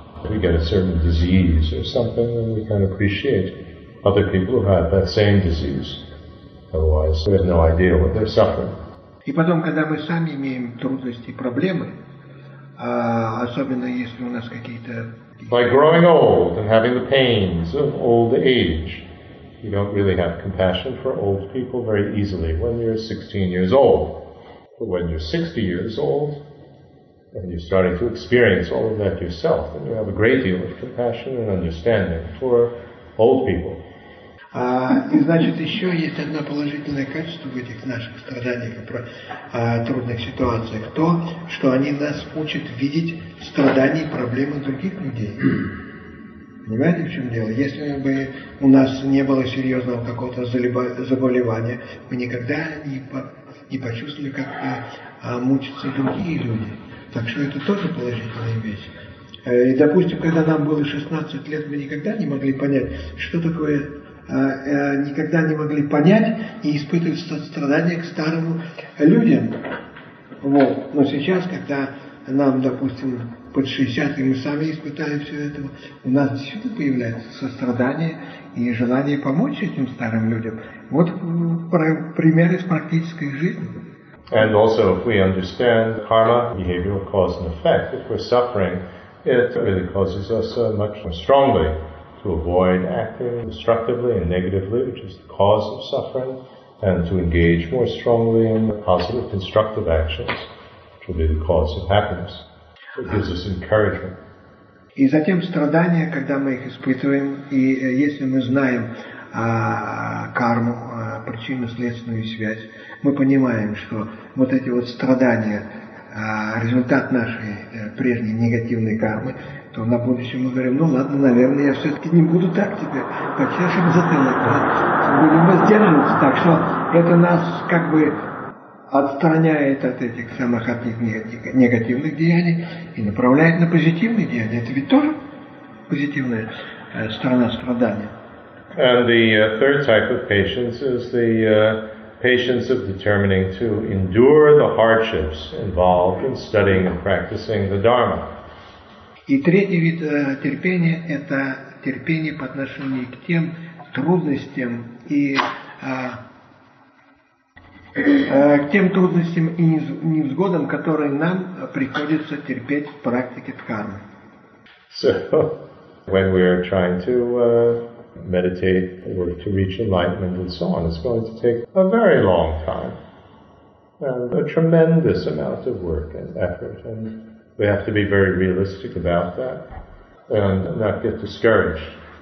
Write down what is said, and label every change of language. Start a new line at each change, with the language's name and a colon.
English: We get a certain disease or something, and we can appreciate other people who have that same disease. Otherwise, we have no idea what they're suffering.
Russian: И потом, когда мы сами имеем трудности, проблемы, особенно если у нас какие-то...
English: By growing old and having the pains of old age, you don't really have compassion for old people very easily when you're 16 years old. But when you're 60 years old, and you're starting to experience all of that yourself, and you have a great deal of compassion and understanding for old people.
Russian: И значит, еще есть одно положительное качество в этих наших страданиях и трудных ситуациях, то, что они нас учат видеть страдания и проблемы других людей. Понимаете, в чем дело? Если бы у нас не было серьезного какого-то заболевания, мы никогда не почувствовали, как мучатся другие люди. Так что это тоже положительная вещь. И, допустим, когда нам было 16 лет, мы никогда не могли понять, что такое, никогда не могли понять и испытывать страдания к старым людям. Вот. Но сейчас, когда нам, допустим, под 60, и мы сами испытали все это, у нас действительно появляется сострадание и желание помочь этим старым людям. Вот пример из практической жизни.
English: And also, if we understand karma, behavioral cause and effect, if we're suffering, it really causes us much more strongly to avoid acting destructively and negatively, which is the cause of suffering, and to engage more strongly in positive, constructive actions, which will be the cause of happiness. So it gives us encouragement.
Russian: И затем страдания, когда мы их испытываем, и если мы знаем карму, причинно-следственную связь, мы понимаем, что вот эти вот страдания – результат нашей прежней негативной кармы, то на будущее мы говорим: наверное, я все-таки не буду так тебе почешем затылок, будем воздерживаться. Так что это нас как бы отстраняет от этих самых негативных деяний и направляет на позитивные деяния. Это ведь тоже позитивная сторона страдания.
English: And the third type of patience is the patience of determining to endure the hardships involved in studying and practicing the Dharma.
Russian: И третий вид терпения – это терпение по отношению к тем трудностям и к тем трудностям и невзгодам, которые нам приходится терпеть в практике дхармы.
English: So, when we are trying to meditate or to reach enlightenment and so on, it's going to take a very long time and a tremendous amount of work and effort, and we have to be very realistic about that and not get discouraged.